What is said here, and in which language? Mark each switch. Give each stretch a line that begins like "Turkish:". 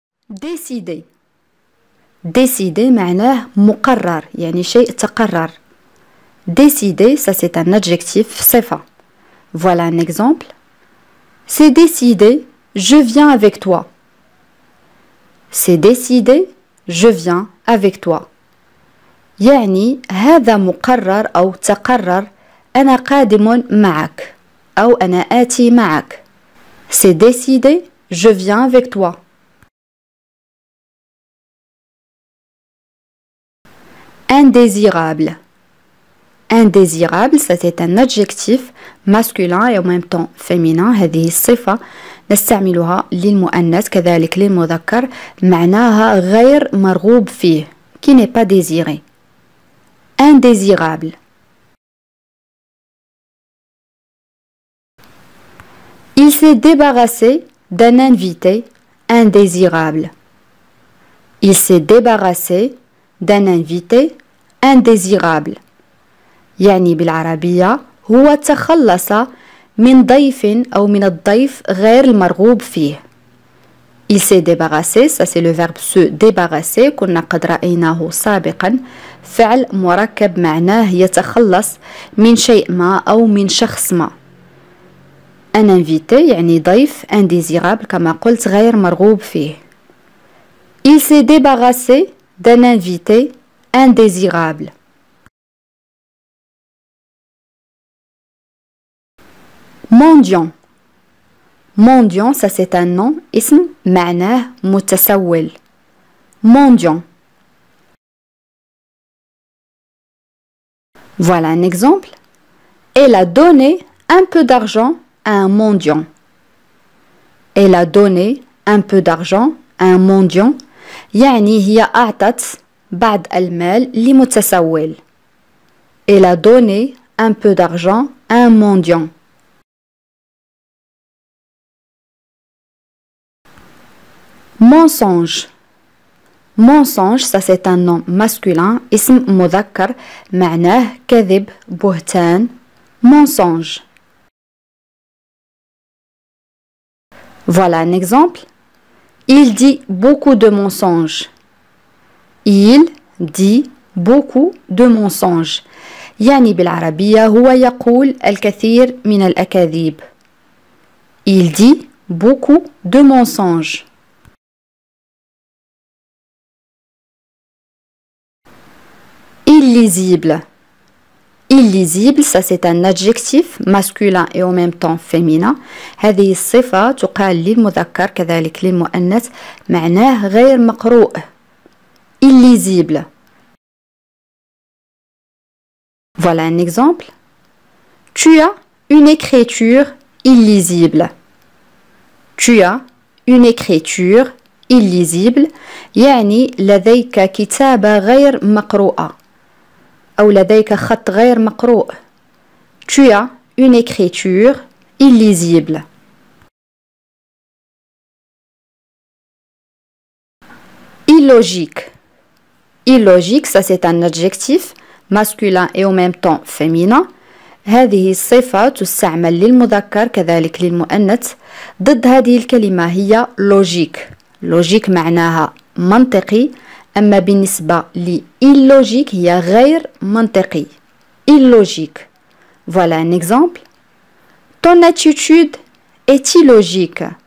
Arabic: ديسيدي، ديسيدي معناه مقرر، يعني شيء تقرر.
French: ديسيدي ça c'est un adjectif صفة. Voilà un exemple. C'est décidé, je viens avec toi. C'est décidé, je viens avec toi.
Arabic: يعني هذا مقرر أو تقرر، أنا قادم معك أو أنا آتي معك.
French: C'est décidé, je viens avec toi. Indésirable. Indésirable, ça c'est un adjectif masculin et en même temps féminin.
Arabic: هذه الصفة نستعملها للمؤنث كذلك للمذكر. معناها غير مرغوب فيه.
French: Qui n'est pas désiré. Indésirable. Il s'est débarrassé d'un invité indésirable. Il s'est débarrassé d'un invité indésirable.
Arabic: يعني بالعربية هو تخلص من ضيف أو من الضيف غير المرغوب فيه.
French: Il s'est débarrassé, ça c'est le verbe se débarrasser,
Arabic: كنا قد رأيناه سابقا. فعل مركب معناه يتخلص من شيء ما أو من شخص ما.
French: Un invité
Arabic: يعني ضيف indésirable كما قلت غير مرغوب فيه.
French: Il s'est débarrassé d'un invité indésirable. Mendiant. Mendiant, ça c'est un nom, ism,
Arabic: معناه متسول.
French: Mendiant. Voilà un exemple. Elle a donné un peu d'argent à un mendiant. Elle a donné un peu d'argent à un mendiant.
Arabic: يعني هي أعطت بعض المال لمتسول.
French: Elle a donné un peu d'argent à un mendiant. Mensonge. Mensonge, ça c'est un nom masculin, ism mudhakkar,
Arabic: معناه كذب, بهتان.
French: Mensonge. Voilà un exemple. Il dit beaucoup de mensonges. Il dit beaucoup de mensonges.
Arabic: يعني بالعربية هو يقول الكثير من الأكاذيب.
French: Il dit beaucoup de mensonges. Illisible. Illisible, ça c'est un adjectif masculin et en même temps féminin.
Arabic: هذه الصفة تقال للمذكر كذلك للمؤنث معناه غير مقروء.
French: Illisible. Voilà un exemple. Tu as une écriture illisible. Tu as une écriture illisible.
Arabic: يعني لديك كتابة غير مقروءة. أو لديك خط غير مقروء.
French: Tu as une écriture illisible. Illogique. Illogique, ça c'est un adjectif masculin et en même temps féminin.
Arabic: هذه الصفة تستعمل للمذكر كذلك للمؤنث. ضد هذه الكلمة هي logique. Logique معناها منطقي. أما بالنسبة لإيلوجيك هي غير منطقي.
French: إيلوجيك. Voilà un exemple. Ton attitude est illogique.